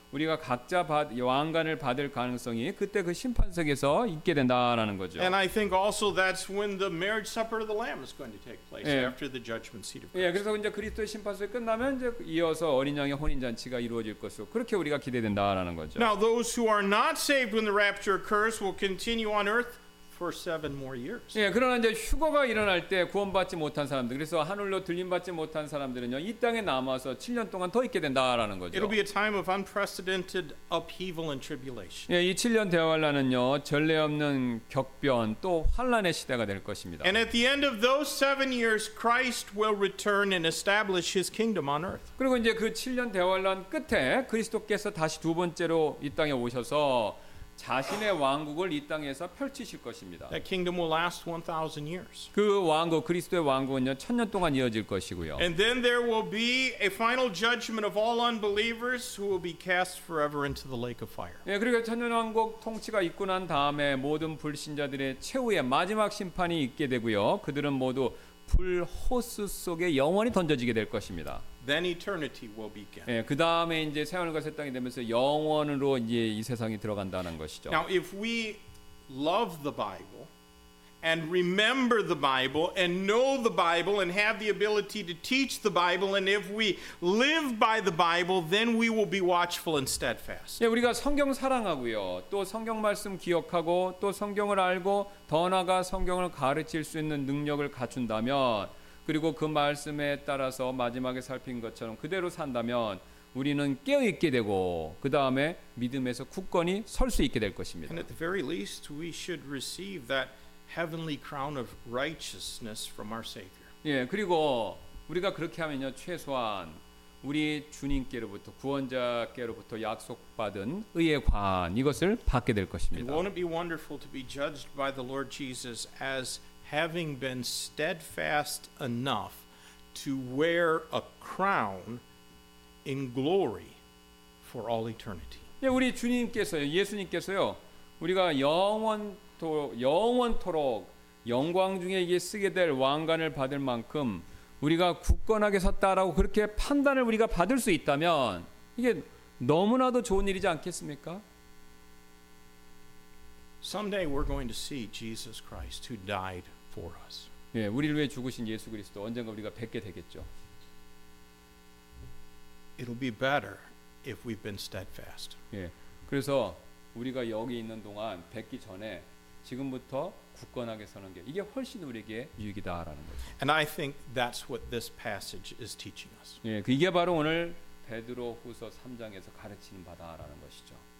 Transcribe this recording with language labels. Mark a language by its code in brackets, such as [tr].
[ko] 우리가 각자 왕관을 받을 가능성이 그때 그 심판석에서 있게 된다라는 거죠. [en] And I think also that's when the marriage supper of the Lamb is going to take place after the judgment seat of Christ. [ko] 예, 그래서 이제 그리스도의 심판석이 끝나면 이제 이어서 어린 양의 혼인 잔치가 이루어질 것으로 그렇게 우리가 기대된다라는 거죠. [en] Now those who are not saved when the rapture occurs will continue on earth for 7 more years. [ko] 예, 그러나 이제 휴거가 일어날 때 구원받지 못한 사람들, 그래서 하늘로 들림받지 못한 사람들은요, 이 땅에 남아서 7년 동안 더 있게 된다라는 거죠. [en] It'll be a time of unprecedented upheaval and tribulation. [ko] 예, 이 7년 대환란은요, 전례 없는 격변 또 환란의 시대가 될 것입니다. [en] And at the end of those 7 years, Christ will return and establish His kingdom on earth. [ko] 그리고 이제 그 7년 대환란 끝에 그리스도께서 다시 두 번째로 이 땅에 오셔서. 자신의 왕국을 이 땅에서 펼치실 것입니다. [en] That kingdom will last 1,000 years. [ko] 그 왕국, 그리스도의 왕국은요, 1,000년 동안 이어질 것이고요. [en] And then there will be a final judgment of all unbelievers who will be cast forever into the lake of fire. [ko] 예, 그리고 1,000년 왕국 통치가 있고 난 다음에 모든 불신자들의 최후의 마지막 심판이 있게 되고요. 그들은 모두 불 호수 속에 영원히 던져지게 될 것입니다. [en] Then eternity will begin. [ko] 예, 그 다음에 이제 새하늘과 새 땅이 되면서 영원으로 이제 이 세상이 들어간다는 것이죠. [en] Now, if we love the Bible and remember the Bible and know the Bible and have the ability to teach the Bible and if we live by the Bible, then we will be watchful and steadfast. [ko] 예, 우리가 성경 사랑하고요, 또 성경 말씀 기억하고 또 성경을 알고 더 나아가 성경을 가르칠 수 있는 능력을 갖춘다면. 그리고 그 말씀에 따라서 마지막에 살핀 것처럼 그대로 산다면 우리는 깨어 있게 되고 그 다음에 믿음에서 굳건히 설 수 있게 될 것입니다. [en] And at the very least, we should receive that heavenly crown of righteousness from our Savior. [ko] 예, 그리고 우리가 그렇게 하면요 최소한 우리 주님께로부터 구원자께로부터 약속받은 의의 관 이것을 받게 될 것입니다. [en] And won't it be wonderful to be judged by the Lord Jesus as having been steadfast enough to wear a crown in glory for all eternity. [ko] 예, 우리 주님께서요, 예수님께서요, 우리가 영원토록 영광 중에 이게 쓰게 될 왕관을 받을 만큼 우리가 굳건하게 섰다라고 그렇게 판단을 우리가 받을 수 있다면 이게 너무나도 좋은 일이지 않겠습니까? [en] Someday we're going to see Jesus Christ who died for us. [ko] 예, 우리를 위해 죽으신 예수 그리스도 언젠가 우리가 뵙게 되겠죠. [en] It'll be better if we've been steadfast. [ko] 예. 그래서 우리가 여기 있는 동안 뵙기 전에 지금부터 굳건하게 서는 게 이게 훨씬 우리에게 유익이다라는 거죠. [en] And I think that's what this passage is teaching us. [ko] 예, 그게 바로 오늘 베드로 후서 3장에서 가르치는 바다라는 것이죠.